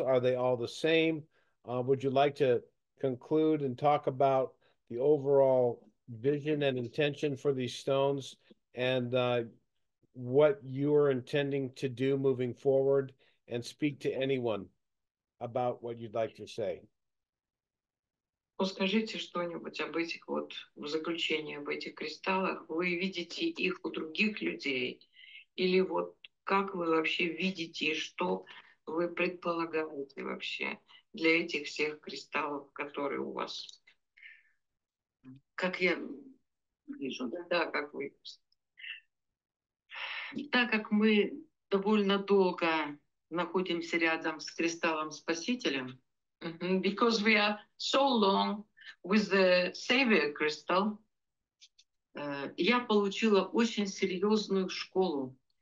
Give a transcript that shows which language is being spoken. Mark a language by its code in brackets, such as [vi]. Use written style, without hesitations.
[en] Are they all the same? Would you like to conclude and talk about the overall vision and intention for these stones and what you are intending to do moving forward, and speak to anyone about what you'd like to say? [ru] Ну, скажите что-нибудь об этих вот, в заключении об этих кристаллах. Вы видите их у других людей? Или вот как вы вообще видите, что вы предполагаете вообще для этих всех кристаллов, которые у вас? Как я вижу, да? Да, как вы. Так как мы довольно долго находимся рядом с кристаллом Спасителем, [en] because we are so long with the Savior crystal, [ru] я получила очень серьезную школу.